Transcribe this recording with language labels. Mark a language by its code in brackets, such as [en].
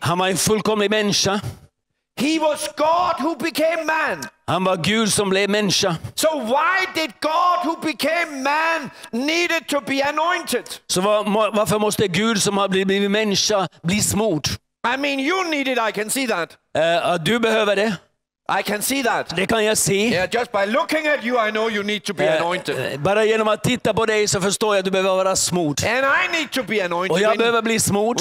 [sv] Han var en fullkomlig människa. [en] He was God who became man. [sv] Han var Gud som blev människa. [en] So why did God who became man needed to be anointed? [sv] Så varför måste Gud som har blivit människa bli smord? [en] I mean you need it, I can see that. [sv] Du behöver det. [en] I can see that. [sv] Det kan jag se. [en] Yeah, just by looking at you I know you need to be anointed. [sv] Bara genom att titta på dig så förstår jag att du behöver vara smord. [en] And I need to be anointed. [sv] Och jag behöver bli smord.